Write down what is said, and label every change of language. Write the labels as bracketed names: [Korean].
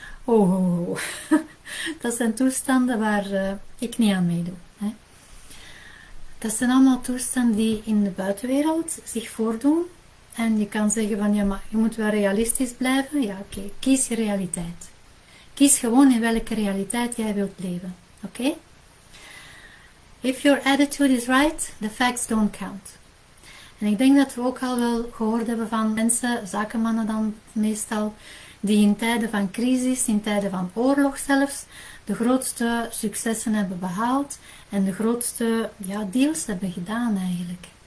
[Dutch] Oh, dat zijn toestanden waar ik niet aan meedoe. Hè. Dat zijn allemaal toestanden die in de buitenwereld zich voordoen. En je kan zeggen van ja, maar je moet wel realistisch blijven. Ja, oké, okay. Kies je realiteit. Kies gewoon in welke realiteit jij wilt leven. Oké? Okay? [English] If your attitude is right, the facts don't count. [Dutch] En ik denk dat we ook al wel gehoord hebben van mensen, zakenmannen dan meestal, die in tijden van crisis, in tijden van oorlog zelfs, de grootste successen hebben behaald en de grootste ja, deals hebben gedaan eigenlijk.